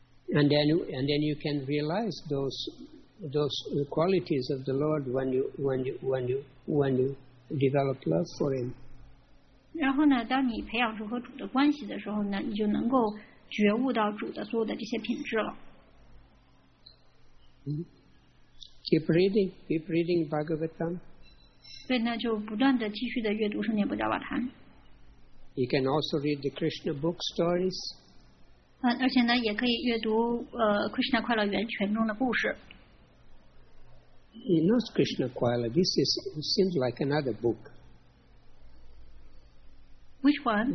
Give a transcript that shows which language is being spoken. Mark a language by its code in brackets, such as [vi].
[en] And then you can realize those qualities of the Lord when you develop love for Him. [zh] 然后呢，当你培养出和主的关系的时候呢，你就能够觉悟到主的所有的这些品质了。 [en] Keep reading Bhagavatam. [zh] 对，那就不断的继续的阅读圣典《波迦瓦坛》。 [en] You can also read the Krishna book stories. [zh] 而且呢，也可以阅读Krishna 快乐园全中的故事。 [en] Not Krishna [zh] 快乐 [en] This is seems like another book. Which one?